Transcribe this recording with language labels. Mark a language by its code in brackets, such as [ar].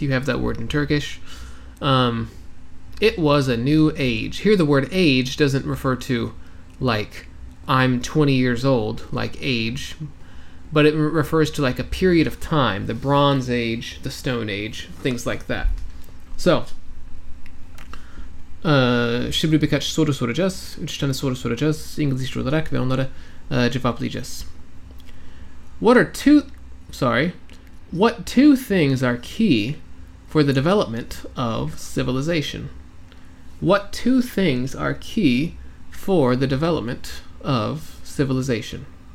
[en] You have that word in Turkish. It was a new age. Here the word age doesn't refer to like I'm 20 years old, like age, but it refers to like a period of time, the Bronze Age, the Stone Age, things like that. [tr] So, şimdi birkaç soru soracağız. Üç tane soru soracağız. İngilizce olarak ve onlara cevaplayacağız. [en] What two things are key for the development of civilization? What two things are key for the development of civilization?